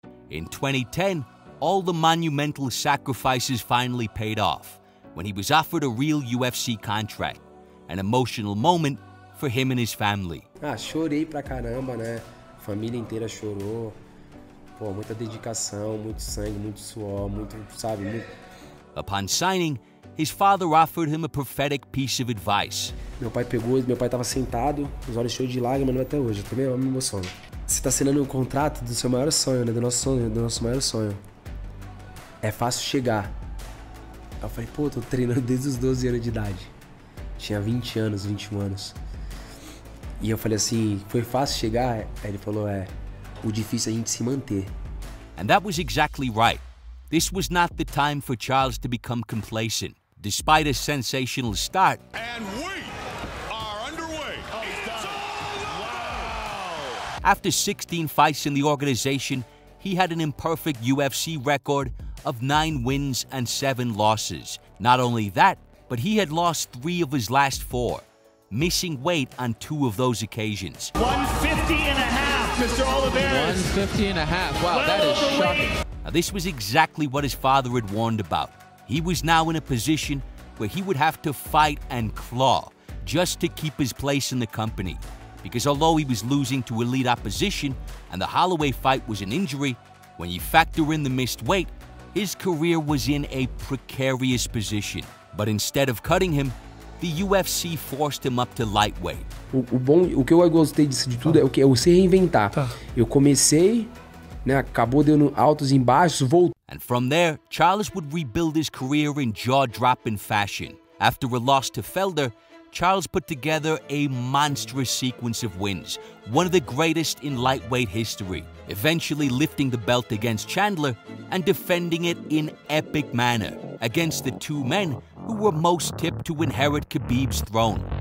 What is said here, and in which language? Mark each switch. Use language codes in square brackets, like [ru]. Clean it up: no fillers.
[en] In 2010, all the monumental sacrifices finally paid off when he was offered a real UFC contract, an emotional moment for him and his family. [pt] Ah, chorei pra caramba, né? Família inteira chorou. Pô, muita dedicação, muito sangue, muito suor, muito, sabe, muito... [en] Upon signing, his father offered him a prophetic piece of advice. [pt] Meu pai pegou, meu pai tava sentado, os olhos cheios de lágrimas, não é até hoje, eu também me emociono. Você tá assinando o contrato do seu maior sonho, né? Do nosso sonho, do nosso maior sonho. É fácil chegar. Eu falei, pô, tô treinando desde os 12 anos de idade. Tinha 20 anos, 21 anos. E eu falei assim, foi fácil chegar? Aí ele falou, é, o difícil é a gente se manter. [en] And that was exactly right. This was not the time for Charles to become complacent. Despite a sensational start... And we are underway. Oh, it's done. Wow. After 16 fights in the organization, he had an imperfect UFC record of 9 wins and 7 losses. Not only that, but he had lost 3 of his last 4, missing weight on 2 of those occasions. 150 and a half, Mr. Oliveira. 150 and a half, wow, well, that is shocking. Now, this was exactly what his father had warned about. He was now in a position where he would have to fight and claw just to keep his place in the company. Because although he was losing to elite opposition and the Holloway fight was an injury, when you factor in the missed weight, his career was in a precarious position. But instead of cutting him, the UFC forced him up to lightweight. [pt] O que eu gostei disso de tudo é o que eu sei reinventar. Tá. Eu comecei, né, acabou dando altos e baixos, voltou. [en] And from there, Charles would rebuild his career in jaw-dropping fashion. After a loss to Felder, Charles put together a monstrous sequence of wins, one of the greatest in lightweight history, eventually lifting the belt against Chandler and defending it in epic manner against the two men who were most tipped to inherit Khabib's throne.